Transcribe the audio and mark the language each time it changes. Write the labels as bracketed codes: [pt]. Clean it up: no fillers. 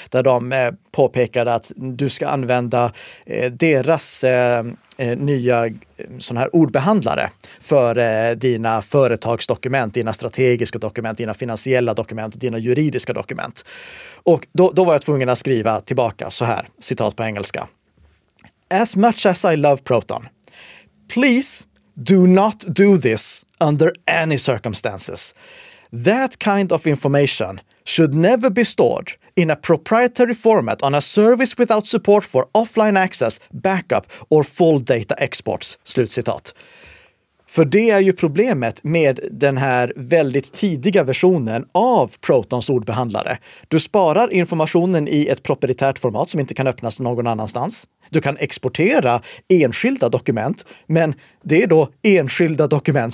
[sv] Där de påpekade att du ska använda deras nya sån här ordbehandlare för dina företagsdokument, dina strategiska dokument, dina finansiella dokument och dina juridiska dokument. Och då var jag tvungen att skriva tillbaka så här, citat på engelska. [en] As much as I love Proton, please do not do this under any circumstances. That kind of information should never be stored in a proprietary format on a service without support for offline access, backup or full data exports. [sv] Slutcitat. För det är ju problemet med den här väldigt tidiga versionen av Protons ordbehandlare. Du sparar informationen i ett proprietärt format som inte kan öppnas någon annanstans. Du kan exportera enskilda dokument, men det är då enskilda dokument.